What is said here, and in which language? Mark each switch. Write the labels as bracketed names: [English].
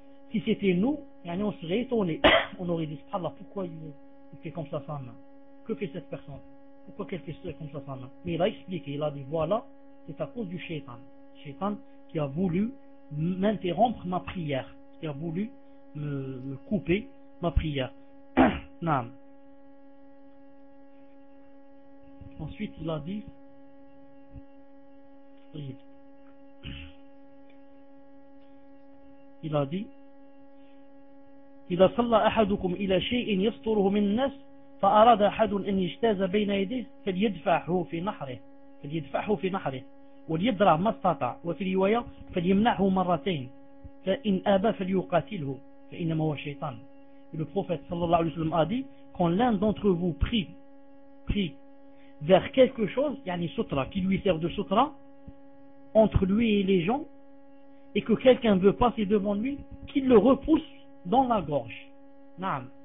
[French] Si c'était nous, yani on serait étonné. On aurait dit, subhanallah, pourquoi il fait comme ça sa main? Que fait cette personne? Pourquoi qu'elle fait comme ça sa main? Mais il a expliqué, il a dit, voilà, c'est à cause du shaitan. Shaitan qui a voulu m'interrompre ma prière. Qui a voulu me couper ma prière. Naam. Ensuite, il a dit, [Arabic] il a dit, إذا صلى أحدكم إلى شيء يستره من الناس فأراد أحد أن يجتاز بين يديه فليدفعه في نحره وليدرع ما استطاع وفي رواية فليمنعه مرتين فإن أبى فليقاتله فإنما هو شيطان. [French] Le prophète sallallahu alayhi wa sallam a dit, quand l'un d'entre vous prie vers quelque chose, yani sutra, qui lui sert de sutra entre lui et les gens, et que quelqu'un veut passer devant lui, qu'il le repousse dans la gorge. Naam.